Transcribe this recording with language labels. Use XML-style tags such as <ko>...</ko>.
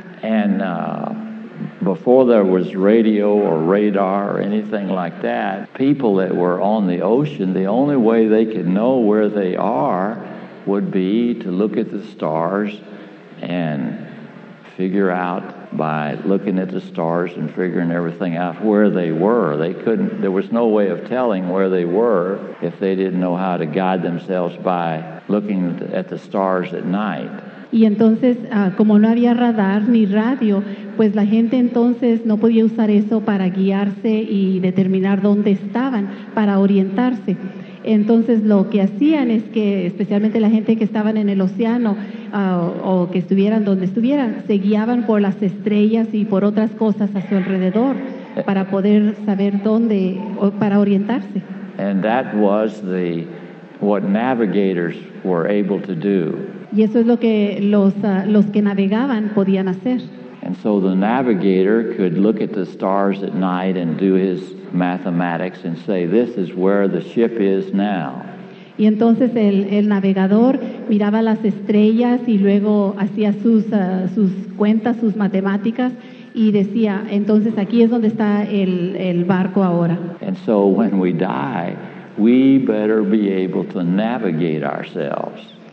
<en>And before there was radio or radar or anything like that, people that were on the ocean, the only way they could know where they are would be to look at the stars and figure out by looking at the stars and figuring everything out where they were. There was no way of telling where they were if they didn't know how to guide themselves by looking at the stars at night.</en> <es>Y entonces, como no había radar ni radio, pues la gente entonces no podía usar eso para guiarse y determinar dónde estaban, para orientarse. Entonces lo que hacían es que especialmente la gente que estaban en el océano o que estuvieran donde estuvieran, se guiaban por las estrellas y por otras cosas a su alrededor para poder saber dónde, para orientarse.</es> <en>And that was the what navigators were able to do.</en> <es>Y eso es lo que los que navegaban podían hacer.</es> <en>And so the navigator could look at the stars at night and do his mathematics and say, this is where the ship is now.</en> <es>Y entonces el navegador miraba las estrellas y luego hacía sus cuentas, sus matemáticas, y decía, entonces aquí es donde está el barco ahora.</es> <en>And so when we die, we better be able to navigate ourselves.</en>